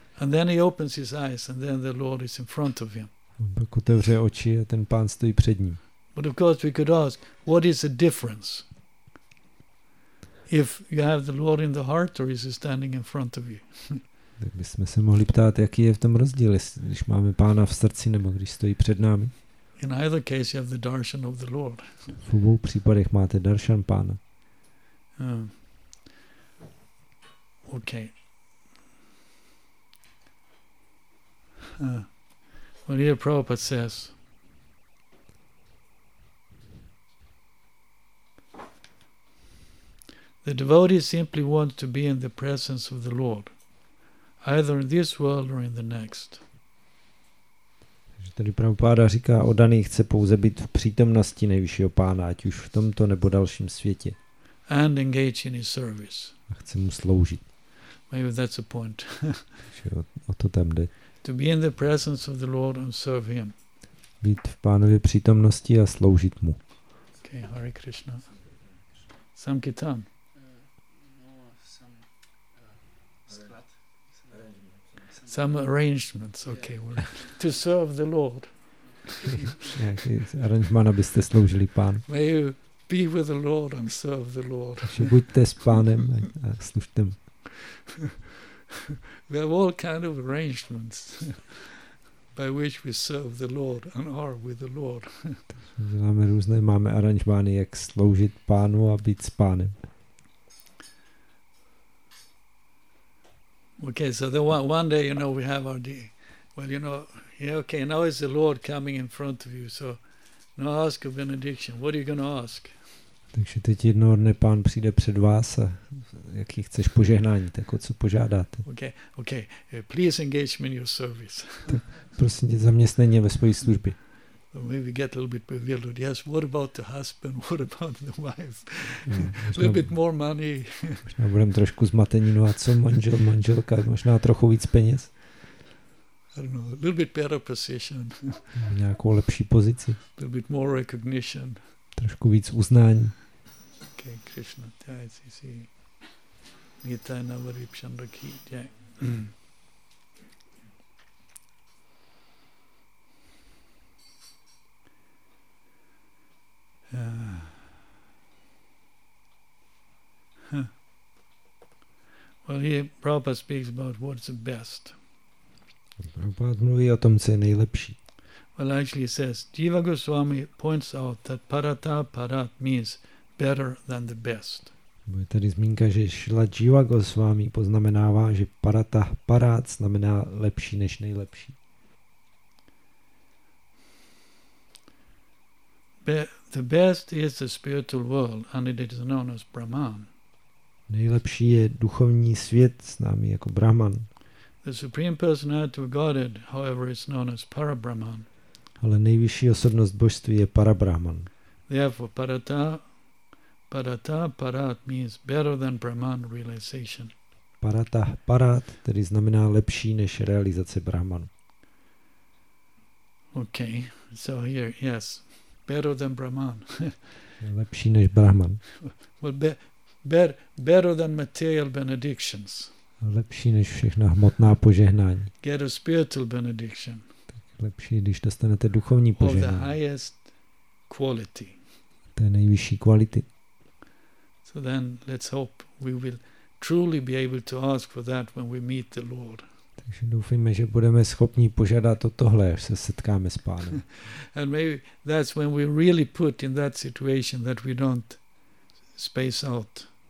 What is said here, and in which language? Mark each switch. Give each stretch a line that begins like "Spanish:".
English: And then he opens his eyes and then the Lord is in front of him.
Czech: On pak otevře oči a ten pán stojí před ním.
English: But of course we could ask, what is the difference? If you have the Lord in the heart or is he standing in front of you?
Czech: Tak bychom se mohli ptát, jaký je v tom rozdíl, když máme pána v srdci nebo když stojí před námi.
English: In either case you have the darshan of the Lord.
Czech: V obou případech máte darshan pána.
English: Okay. When Srila Prabhupada says, the devotee simply wants to be in the presence of the Lord, either in this world or in the next.
Czech: Tady Prabhupada říká, oddaný chce pouze být v přítomnosti nejvyššího pána, ať už v tomto nebo dalším světě.
English: And engage in his service.
Czech: A chce mu sloužit.
English: Maybe that's a point.
Czech: O to tam jde.
English: To be in the presence of the Lord and serve him.
Czech: Být v pánově přítomnosti a sloužit mu.
English: Okay, Hare Krishna. Sankirtan. Some arrangements, okay. Well, to serve the Lord.
Czech: Nějaký aranžman, abyste sloužili pánu.
English: May you be with the Lord and serve the Lord.
Czech: Buďte s pánem a služte mu.
English: We have all kind of arrangements by which we serve the Lord and are with the Lord.
Czech: Máme různé, máme aranžmány, jak sloužit pánu a být s pánem.
English: Okay, so the one day, you know, we have our day. Well, you know, yeah, okay, now is the Lord coming in front of you, so now ask a benediction. What are you going to ask?
Czech: Takže teď jednoho dne pán přijde před vás a jaký chceš požehnání, tak o co požádáte?
English: Okay, please engage me in your service.
Czech: Prosím tě, zaměstnění ve svojí službě.
English: Maybe get a little bit bewildered. Yes, what about the husband? What about the wife? A little bit more money.
Czech: Možná budem trošku zmatení. No a co manžel, manželka? Možná trochu víc peněz?
English: I don't know. A little bit better position.
Czech: Nějakou lepší pozici. A
English: little bit more recognition.
Czech: Trošku víc uznání. Okay, Krishna. Jai, si, si. Nita, navari, pšandaki, jai.
English: Well, here Prabhupada speaks about what's the best.
Czech: Prabhupada mluví o tom, co je nejlepší.
English: Well, actually, he says, Jiva Goswami points out that parata parat means better than the best.
Czech: Je tady zmínka, že Šila Jiva Goswami poznamenává, že parata parat znamená lepší než nejlepší.
English: The best is the spiritual world, and it is known as Brahman.
Czech: Nejlepší je duchovní svět, známý jako Brahman.
English: The supreme personality of Godhead, however, is known as Parabrahman.
Czech: Ale nejvyšší osobnost božství je Parabrahman.
English: Therefore, parata, parata, parat means better than Brahman realization.
Czech: Parata, parat, tedy znamená lepší než realizace Brahmanu.
English: Okay, so here, yes. Better than Brahman.
Czech: Lepší než Brahman.
English: Well, better than material benedictions.
Czech: Lepší než všechna hmotná požehnání.
English: Get a spiritual benediction.
Czech: Lepší, když dostanete duchovní požehnání.
English: Of the highest quality.
Czech: Té nejvyšší kvality.
English: So then let's hope we will truly be able to ask for that when we meet the Lord.
Czech: Takže doufíme, že budeme schopni požádat o tohle, až se setkáme s pánem.
English: And maybe that's when we really put in that situation that we don't space out.